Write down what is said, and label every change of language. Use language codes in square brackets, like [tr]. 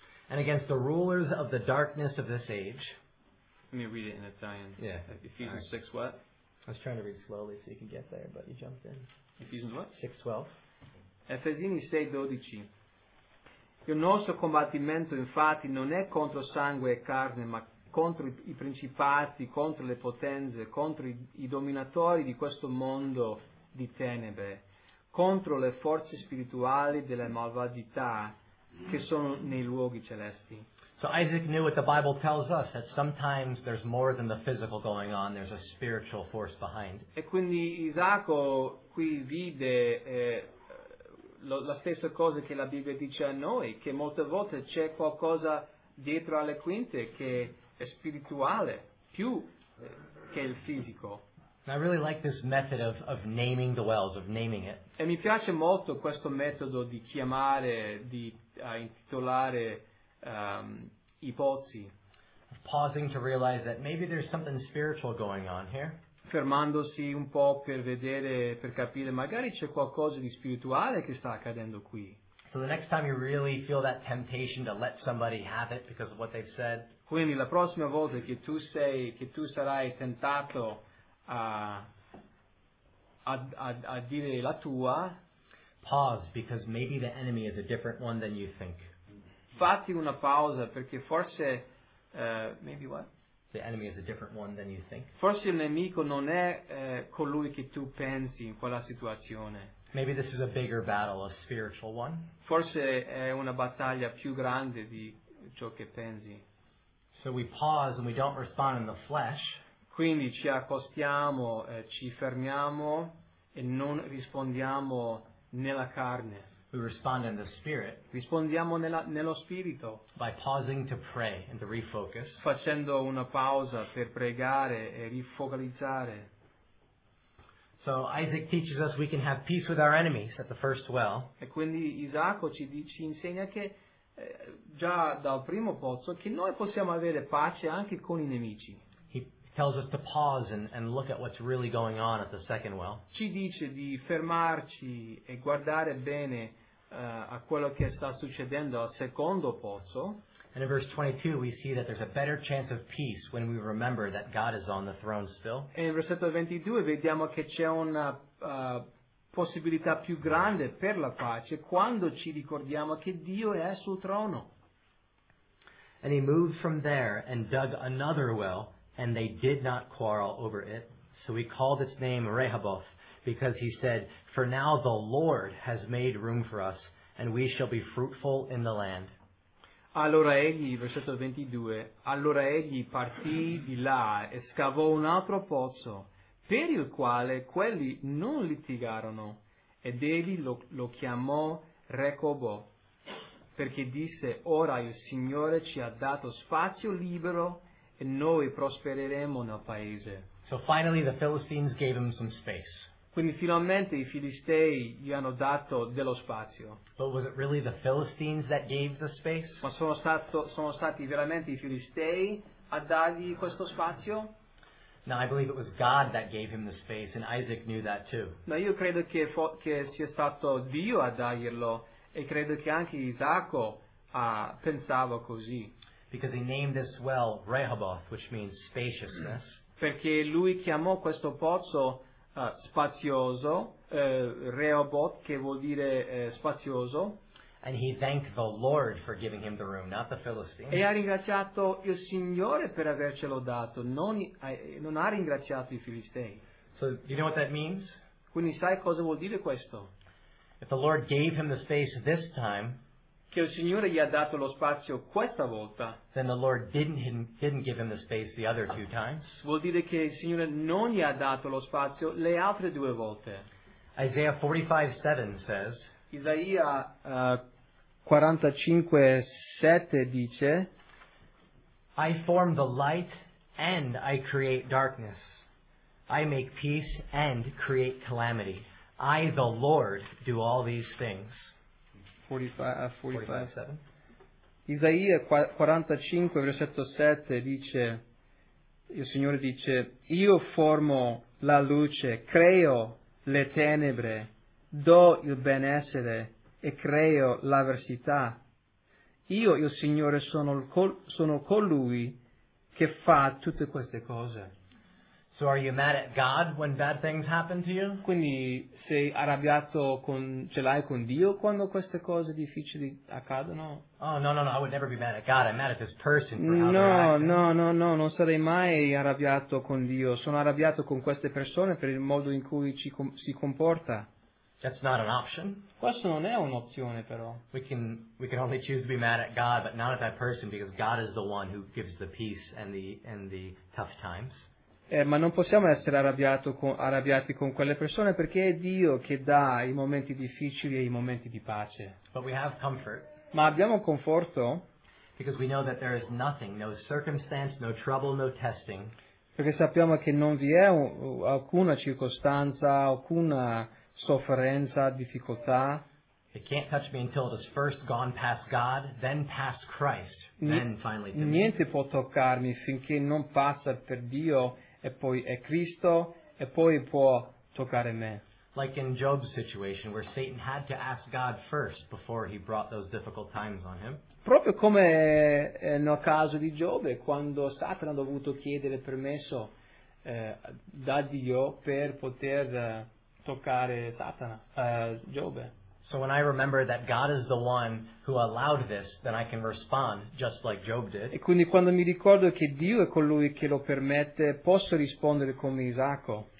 [en] And against the rulers of the darkness of this age. Let me read it in Italian. Yeah. Ephesians 6 what? I was trying to read slowly so you can get there, but you jumped in. Ephesians what? 6:12. [it] Efesini 6:12. Il nostro combattimento, infatti, non è contro sangue e carne, ma contro i principati, contro le potenze, contro i dominatori di questo mondo di tenebre, contro le forze spirituali della malvagità che sono nei luoghi celesti. [en] So Isaac knew what the Bible tells us, that sometimes there's more than the physical going on, there's a spiritual force behind. [it] E quindi Isacco qui vide la stessa cosa che la Bibbia dice a noi, che molte volte c'è qualcosa dietro alle quinte che è spirituale, più che il fisico. [en] I really like this method of naming the wells, of naming it. [it] E mi piace molto questo metodo di chiamare, di intitolare i pozzi. [en] Pausing to realize that maybe there's something spiritual going on here. [it] Fermandosi un po' per vedere, per capire, magari c'è qualcosa di spirituale che sta accadendo qui. [en] So the next time you really feel that temptation to let somebody have it because of what they've said. [it] Quindi la prossima volta che tu sei, che tu sarai tentato a dire la tua, [en] pause, because maybe the enemy is a different one than you think. [it] Fatti una pausa, perché forse [en] maybe what? The enemy is a different one than you think. [it] Forse il nemico non è colui che tu pensi in quella situazione. [en] Maybe this is a bigger battle, a spiritual one. [it] Forse è una battaglia più grande di ciò che pensi. [en] So we pause and we don't respond in the flesh. [it] Quindi ci accostiamo, ci fermiamo e non rispondiamo nella carne. [en] We respond in the spirit. [it] Rispondiamo nello spirito. [en] By pausing to pray and to refocus. [it] Facendo una pausa per pregare e rifocalizzare. [en] So Isaac teaches us we can have peace with our enemies at the first well. [it] E quindi Isacco ci insegna che già dal primo pozzo che noi possiamo avere pace anche con i nemici. [en] Tells us to pause and look at what's really going on at the second well. [it] Ci dice di fermarci e guardare bene a quello che sta succedendo al secondo pozzo. [en] And in verse 22 we see that there's a better chance of peace when we remember that God is on the throne still. [it] E in versetto 22 vediamo che c'è una possibilità più grande per la pace quando ci ricordiamo che Dio è sul trono. [en] And he moved from there and dug another well. And they did not quarrel over it. So he called its name Rehoboth, because he said, For now the Lord has made room for us, and we shall be fruitful in the land. [it] Allora egli, versetto 22, allora egli partì di là e scavò un altro pozzo, per il quale quelli non litigarono, ed egli lo chiamò Rehoboth, perché disse, Ora il Signore ci ha dato spazio libero, e noi prospereremo nel paese. [en] So finally the Philistines gave him some space. [it] Quindi finalmente i Filistei gli hanno dato dello spazio. [en] But was it really the Philistines that gave the space? [it] Ma sono stati veramente i Filistei a dargli questo spazio? [en] Now I believe it was God that gave him the space, and Isaac knew that too. [it] Ma io credo che sia stato Dio a darglielo, e credo che anche Isacco pensava così. [en] Because he named this well Rehoboth, which means spaciousness. [it] Perché lui chiamò questo pozzo spazioso, Rehoboth, che vuol dire spazioso. [en] And he thanked the Lord for giving him the room, not the Philistines. [it] E ha ringraziato il Signore per avercelo dato, non ha ringraziato i Filistei. [en] So, you know what that means? [it] Quindi sai cosa vuol dire questo? [en] If the Lord gave him the space this time, [it] che il Signore gli ha dato lo spazio questa volta. [en] Then the Lord didn't give him the space the other two times. [it] Vuol dire che il Signore non gli ha dato lo spazio le altre due volte. [en] Isaiah 45:7 says. [it] Isaia 45:7 dice. [en] I form the light and I create darkness. I make peace and create calamity. I, the Lord, do all these things. 45:7. [it] Isaia 45 versetto 7 dice, il Signore dice, io formo la luce, creo le tenebre, do il benessere e creo l'avversità. Io, il Signore, sono colui che fa tutte queste cose. [en] So are you mad at God when bad things happen to you? [it] Quindi sei arrabbiato ce l'hai con Dio quando queste cose difficili accadono? [en] Oh no, I would never be mad at God. I'm mad at this person for [it] non sarei mai arrabbiato con Dio. Sono arrabbiato con queste persone per il modo in cui si comporta. [en] That's not an option. [it] Questo non è un'opzione però. [en] We can only choose to be mad at God, but not at that person, because God is the one who gives the peace and the tough times. [it] Ma non possiamo essere arrabbiati con quelle persone, perché è Dio che dà i momenti difficili e i momenti di pace. [en] But we have comfort. [it] Ma abbiamo conforto. [en] Because we know that there is nothing, no circumstance, no trouble, no testing. [it] Perché sappiamo che non vi è alcuna circostanza, alcuna sofferenza, difficoltà. [en] It can't touch me until it has first gone past God, then past Christ. [it] Niente può toccarmi finché non passa per Dio e poi è Cristo e poi può toccare me. [en] Like in Job's situation where Satan had to ask God first before he brought those difficult times on him. [it] Proprio come nel caso di Giobbe, quando Satana ha dovuto chiedere permesso da Dio per poter toccare Giobbe. [en] So when I remember that God is the one who allowed this, then I can respond just like Job did. [it] E quindi quando mi ricordo che Dio è colui che lo permette, posso rispondere come Isacco.